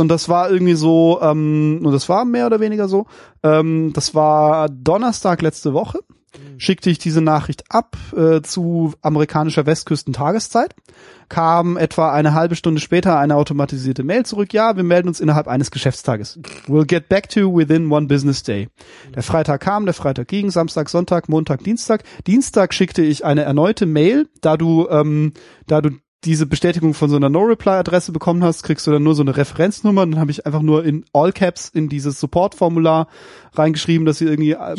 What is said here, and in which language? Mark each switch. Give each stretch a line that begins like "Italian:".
German: Und das war irgendwie so, und das war mehr oder weniger so, das war Donnerstag letzte Woche, schickte ich diese Nachricht ab zu amerikanischer Westküsten-Tageszeit, kam etwa eine halbe Stunde später eine automatisierte Mail zurück. Ja, wir melden uns innerhalb eines Geschäftstages.
English: We'll get back to you within one business day.
German: Der Freitag kam, der Freitag ging, Samstag, Sonntag, Montag, Dienstag. Dienstag schickte ich eine erneute Mail, da du diese Bestätigung von so einer No-Reply-Adresse bekommen hast, kriegst du dann nur so eine Referenznummer. Dann habe ich einfach nur in All Caps in dieses Support-Formular reingeschrieben, dass sie irgendwie